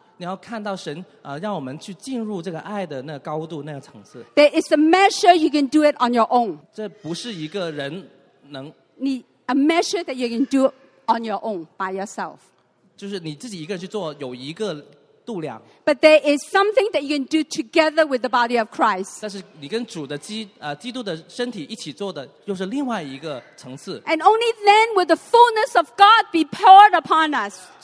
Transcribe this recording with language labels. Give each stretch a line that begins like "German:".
Chinese: 你要看到神，让我们去进入这个爱的那个高度、那个层次。There
English: is a measure you can do it on your own.
Chinese: 这不是一个人能。A
English: measure that you can do on your own by yourself.
Chinese: 就是你自己一个人去做，有一个。
English: But there is something that you can do together with the body of Christ.
Chinese: 但是你跟主的基督的身体一起做的又是另外一个层次。
English: And only then will the fullness of God be poured upon us.